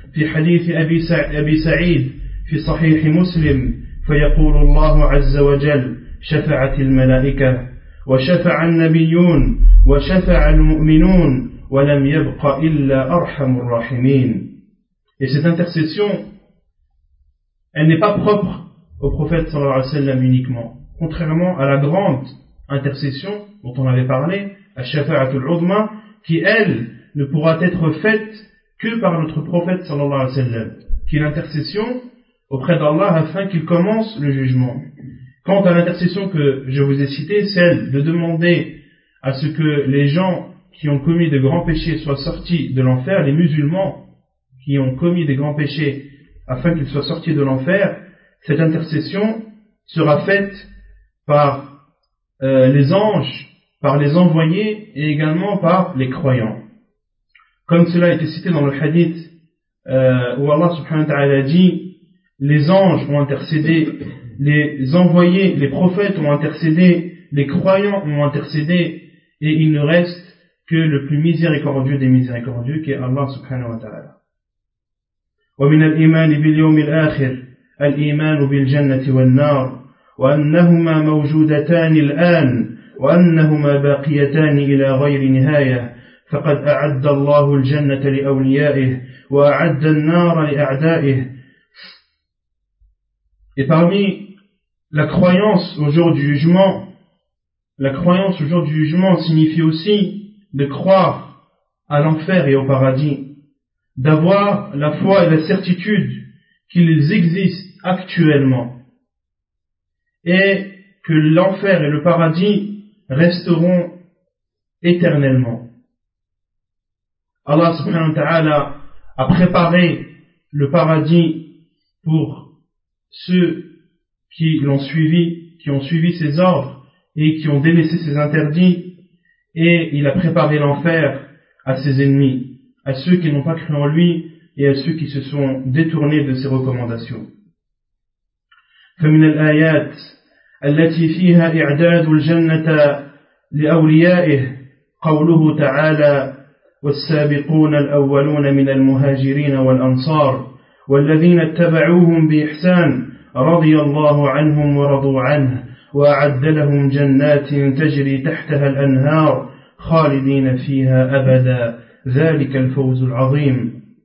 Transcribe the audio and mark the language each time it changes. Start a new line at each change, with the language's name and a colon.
Arabic: في حديث أبي سعيد في صحيح مسلم فيقول الله عز وجل شفعت الملائكة وشفع النبيون وشفع المؤمنون ولم يبق إلا أرحم الراحمين.
French: Et cette intercession, elle n'est pas propre au prophète sallallahu alayhi wa sallam uniquement. Contrairement à la grande intercession dont on avait parlé, à Shafa'atul Udma, qui elle ne pourra être faite que par notre prophète sallallahu alayhi wa sallam, qui est l'intercession auprès d'Allah afin qu'il commence le jugement. Quant à l'intercession que je vous ai citée, celle de demander à ce que les gens qui ont commis de grands péchés soient sortis de l'enfer, les musulmans qui ont commis des grands péchés afin qu'ils soient sortis de l'enfer, cette intercession sera faite par les anges, par les envoyés et également par les croyants. Comme cela a été cité dans le hadith où Allah subhanahu wa ta'ala dit, les anges ont intercédé, les envoyés, les prophètes ont intercédé, les croyants ont intercédé et il ne reste que le plus miséricordieux des miséricordieux qui est Allah subhanahu wa ta'ala.
Arabic: ومن الإيمان باليوم الآخر الإيمان بالجنة والنار وأنهما موجودتان الآن وأنهما باقيتان إلى غير نهاية فقد أعد الله الجنة لأوليائه وأعد النار لأعدائه.
French: Et parmi la croyance au jour du jugement, la croyance au jour du jugement signifie aussi de croire à l'enfer et au paradis, d'avoir la foi et la certitude qu'ils existent actuellement et que l'enfer et le paradis resteront éternellement. Allah subhanahu wa ta'ala a préparé le paradis pour ceux qui l'ont suivi, qui ont suivi ses ordres et qui ont délaissé ses interdits, et il a préparé l'enfer à ses ennemis, à ceux qui n'ont pas cru en lui et à ceux qui se sont détournés de ses recommandations.
Arabic: فمن الآيات التي فيها إعداد الجنة لأوليائه قوله تعالى والسابقون الأولون من المهاجرين والأنصار والذين اتبعوهم بإحسان رضي الله عنهم ورضوا عنه وأعد لهم جنات تجري تحتها الأنهار خالدين فيها أبدا ذلك الفوز العظيم.